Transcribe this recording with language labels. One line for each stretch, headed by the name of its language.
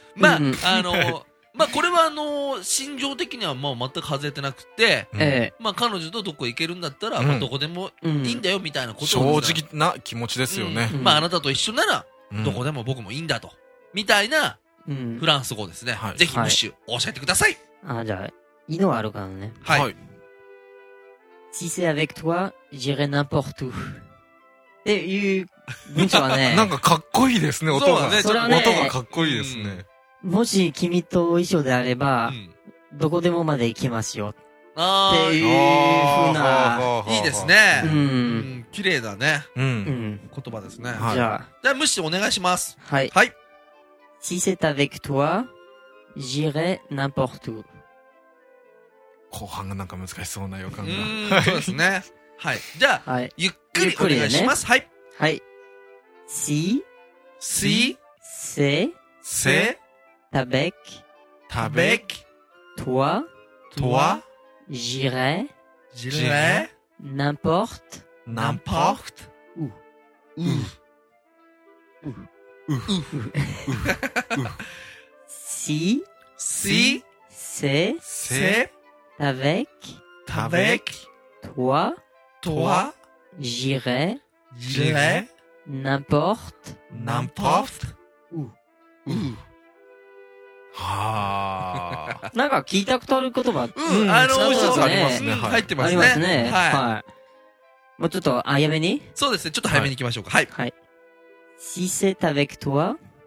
Japanese: まあ、うん、まあこれは心情的にはまあ全く外れてなくて、まあ彼女とどこ行けるんだったらまあどこでもいいんだよみたいなことを、正直な気持ちですよね、うん、まああなたと一緒ならどこでも僕もいいんだとみたいなフランス語ですね、うん、ぜひムッシュ教えてください、はい、あ、じゃあいいのあるからね、はい、
French: Si c'est avec toi, j'irai n'importe où
Japanese: っていう文章はね、なんかかっこいいですね、音が、ね、音がかっこいいですね、うん、もし君と一緒であれば、うん、どこでもまで行けますよ。あー、っていう風な、いいですね。うん、綺麗だね、うん。言葉ですね。はい、じゃあ無視お願いします。はい。はい。
French: Si c'est avec toi, j'irai n'importe où。
Japanese: 後半がなんか難しそうな予感が。うん、そうですね。はい。じゃあ、はい、ゆっくりお願いします。ね、はい。
French: はい。Si, si, se, se. Avec, avec, toi, toi, j'irai, j'irai, n'importe, n'importe, où, où, où, où, si, si, c'est, avec, avec, toi, toi, j'irai, j'irai, n'importe, n'importe, où, où.
Japanese: はあ、なんか聞いたことある言葉、うん、そうですね、うん、入ってますね、ありますね、はい、はい、もうちょっと早めに、そうですね、ちょっと早めに行きましょうか、はい、
French: はい、Si c'est avec toi,